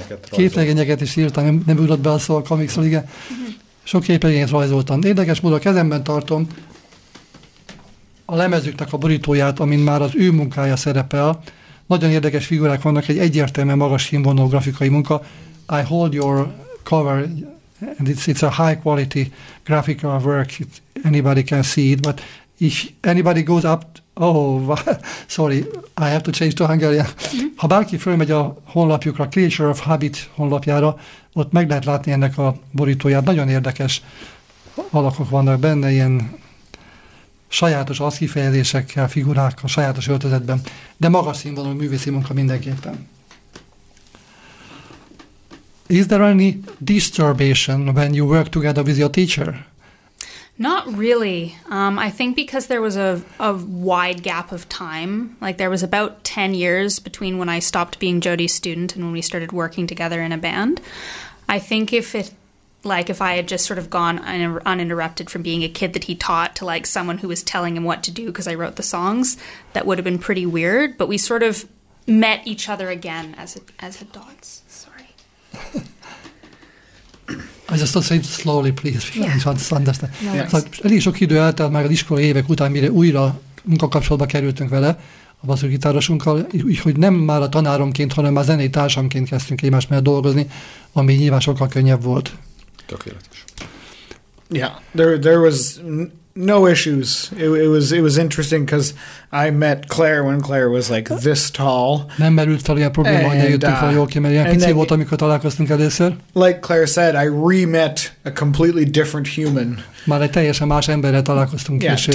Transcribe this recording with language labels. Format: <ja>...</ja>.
<hu>Képregényeket is írtam, nem ugrott be a szó a comics-ról, igen. Sok képregényeket rajzoltam. Érdekes módon a kezemben tartom a lemezüknek a borítóját, amin már az ő munkája szerepel. Nagyon érdekes figurák vannak, egy egyértelműen magas színvonalú grafikai munka.</hu> <en>I hold your cover, and it's a high quality graphical work, anybody can see it, but If anybody goes up, sorry, I have to change to Hungarian.</en> <hu>Ha bárki fölmegy a honlapjukra, Creature of Habit honlapjára, ott meg lehet látni ennek a borítóját. Nagyon érdekes alakok vannak benne, ilyen sajátos aszkifejezésekkel, figurák a sajátos öltözetben, de magas színvonalú művészi munka mindenképpen.</hu> <en>Is there any disturbation when you work together with your teacher? Not really. I think because there was a wide gap of time, like there was about 10 years between when I stopped being Jody's student and when we started working together in a band. I think if I had just sort of gone uninterrupted from being a kid that he taught to like someone who was telling him what to do because I wrote the songs, that would have been pretty weird. But we sort of met each other again as adults. Sorry. I just want to say it slowly, please. Yeah. I just understand. No,</en> <hu>szóval elég sok idő eltelt már az iskola évek után, mire újra munkakapcsolatba kerültünk vele, a basszusgitárosunkkal, úgyhogy nem már a tanáromként, hanem már zenei társamként kezdtünk egymás mellett dolgozni, ami nyilván sokkal könnyebb volt. Tökéletes.</hu> <en>Yeah, there was no issues. It was interesting because I met Claire when Claire was like this tall.</en> <hu>Nem merült fel ilyen probléma, hogy jöttünk fel jól ki, mert ilyen pici volt, amikor találkoztunk először.</hu> <en>Like Claire said, I re-met a completely different human.</en> <hu>Már egy teljesen más emberrel találkoztunk később.</hu>